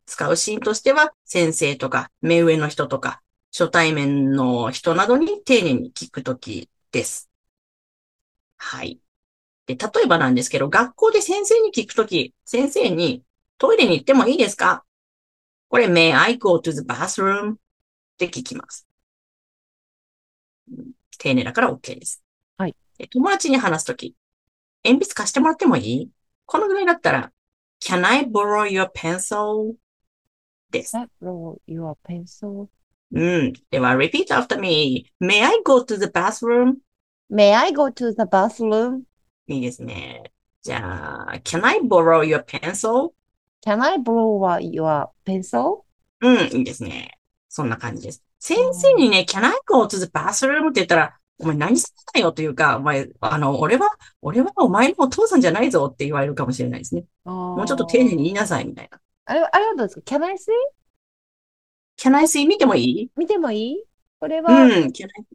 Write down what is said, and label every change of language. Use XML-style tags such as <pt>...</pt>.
<ja>使うシーンとしては、先生とか、目上の人とか、初対面の人などに丁寧に聞くときです。はい。で、例えばなんですけど、学校で先生に聞くとき、先生にトイレに行ってもいいですか？</ja> <en>これ、May I go to the bathroom?</en> <ja>って聞きます。丁寧だから OK です。はい。で、友達に話すとき、鉛筆貸してもらってもいい？</ja> <en>このぐらいだったら、Can I borrow your pencil?</en> <ja>です。</ja> <en>Can I borrow your pencil? うん、では、repeat after me. May I go to the bathroom? May I go to the bathroom?</en> <ja>いいですね。</ja> <en>じゃあ、Can I borrow your pencil? Can I borrow your pencil?</en> <ja>うん、いいですね。そんな感じです。</ja> <en>先生にね、Can I go to the bathroom?</en> <ja>って言ったら、お前何するんだよというか、お前、俺はお前のお父さんじゃないぞって言われるかもしれないですね。もうちょっと丁寧に言いなさいみたいな。あれはどうですか？</ja> <en>Can I see? Can I see?</en> <ja>見てもいい？見てもいい？これは、うん、</ja> <en>Can I...</en>